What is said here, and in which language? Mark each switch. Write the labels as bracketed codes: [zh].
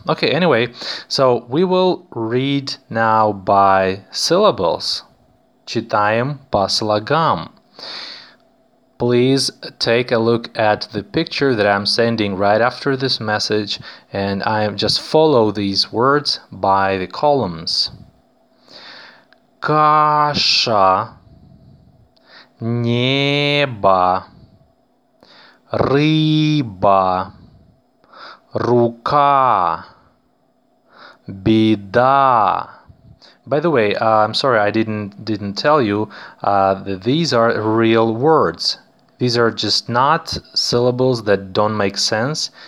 [en] Okay, anyway, so we will read now by syllables. [ru] Читаем по слогам. [en] Please take a look at the picture that I'm sending right after this message, and I am just follow these words by the columns. [ru] Каша, небо, рыба, рука, беда. [en] By the way, I'm sorry I didn't tell you that these are real words. These are just not syllables that don't make sense.